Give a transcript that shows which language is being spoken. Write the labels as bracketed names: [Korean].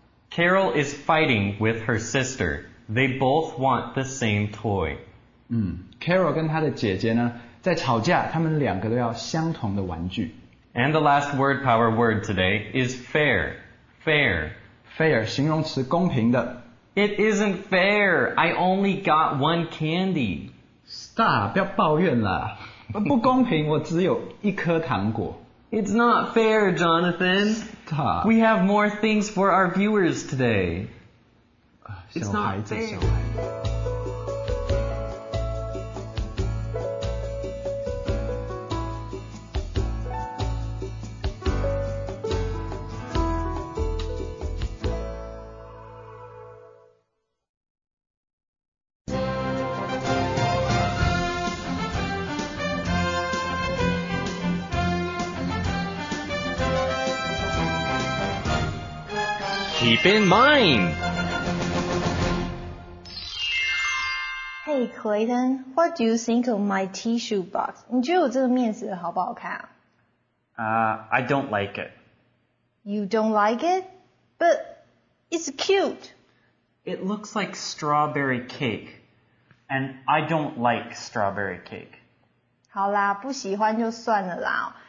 [English] Carol is fighting with her sister They both want the same toy [Chinese] Carol 跟她的姐姐呢在吵架他们两个都要相同的玩具 [English] And the last word power word today is fair. Fair. [Chinese] Fair, 形容词公平的。 [English] It isn't fair. I only got one candy. [Chinese] Stop, 不要抱怨了。不公平我只有一颗糖果。 [English] It's not fair, Jonathan. Stop. We have more things for our viewers today. It's not fair. [Chinese] 小孩子 [English] keep in mind. Hey, Clayton, what do you think of my tissue box? [Chinese] 你觉得我这个面纸好不好看啊？ [English] I don't like it. You don't like it? But it's cute. It looks like strawberry cake. And I don't like strawberry cake. [Chinese] 好啦，不喜欢就算了啦。